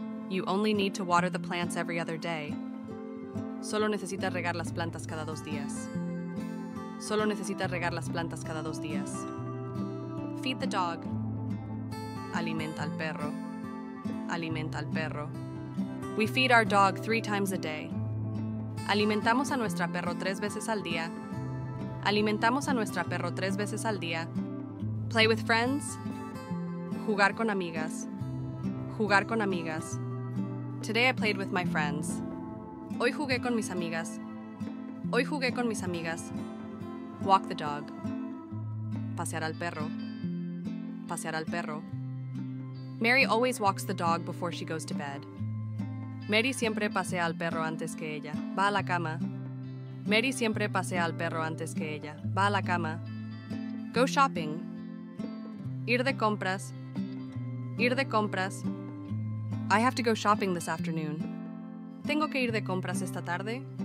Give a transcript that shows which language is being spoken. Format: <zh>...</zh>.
<en>You only need to water the plants every other day.</en> <es>Solo necesitas regar las plantas cada dos días. Solo necesitas regar las plantas cada dos días.</es> <en>Feed the dog.</en> <es>Alimenta al perro. Alimenta al perro.</es> <en>We feed our dog 3 times a day.</en> <es>Alimentamos a nuestra perro 3 veces al día. Alimentamos a nuestra perro 3 veces al día.</es> <en>Play with friends.</en> <es>Jugar con amigas. Jugar con amigas.</es> <en>Today I played with my friends.</en> <es>Hoy jugué con mis amigas. Hoy jugué con mis amigas.</es> <en>Walk the dog.</en> <es>Pasear al perro. Pasear al perro.</es> <en>Mary always walks the dog before she goes to bed.</en> <es>Mary siempre pasea al perro antes que ella. Va a la cama. Mary siempre pasea al perro antes que ella. Va a la cama.</es> <en>Go shopping.</en> <es>Ir de compras. Ir de compras.</es> <en>I have to go shopping this afternoon.</en> <es>Tengo que ir de compras esta tarde.</es>